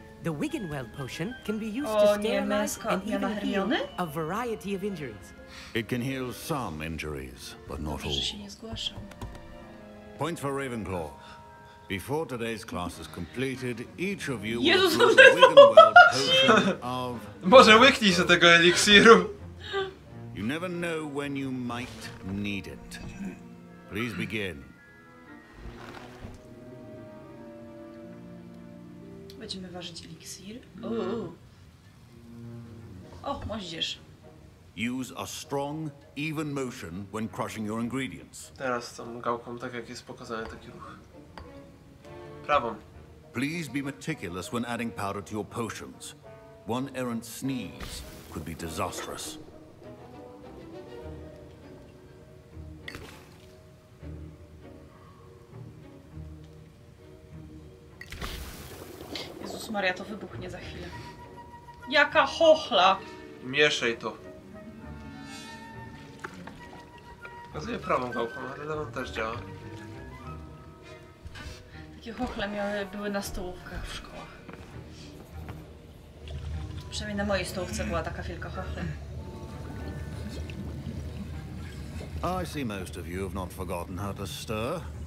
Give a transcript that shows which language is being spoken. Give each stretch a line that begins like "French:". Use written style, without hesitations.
English: The Wigan Weld potion can be used to stabilize and even heal a variety of injuries. It can heal some injuries, but not all. Points for Ravenclaw. Before today's class is completed, each of you will use the Wigan Weld potion of...
Polish: Boże, łyknij się tego eliksiru!
English: You never know when you might need it. Please begin.
Polish: Będziemy ważyć eliksir. O, moździerz. Use a strong, even motion when crushing your ingredients. Teraz tą gałką, tak jak jest pokazane, taki ruch. Prawą.
English: Please be meticulous when adding powder to your potions. One errant sneeze could be disastrous.
Polish: Maria, to wybuchnie za chwilę. Jaka chochla! Mieszaj to. Pokazuję prawą gałką, ale lewą też działa. Takie chochle były na stołówkach w szkołach. Przynajmniej na mojej stołówce była taka wielka chochla.
English: I see most of you have not forgotten how to stir.